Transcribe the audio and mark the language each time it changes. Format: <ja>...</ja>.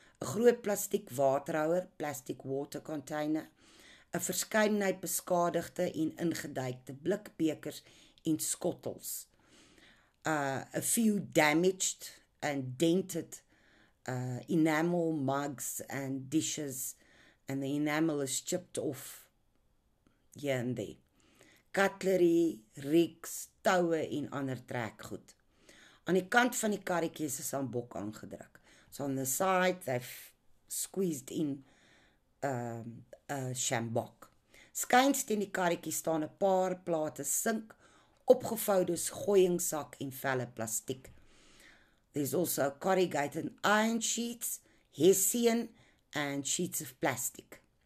<af>'N groot plastiek waterhouer,</af> <en>plastic water container,</en> <af>'n verskeidenheid beskadigde en ingedeikte blikbekers en skottels.</af> <en>A few damaged and dented enamel mugs and dishes, and the enamel is chipped off here and there.</en> <af>Cutlery, reeks, touwe en ander trekgoed. Aan die kant van die karretjie is 'n sambok aangedruk.</af> <en>So on the side they've squeezed in a sambok.</en> <af>Skuins teen die karretjie staan 'n paar plate sink, opgevoude gooiingsak en velle plastiek.</af> <en>There's also corrugated iron sheets, hessian, and sheets of plastic.</en>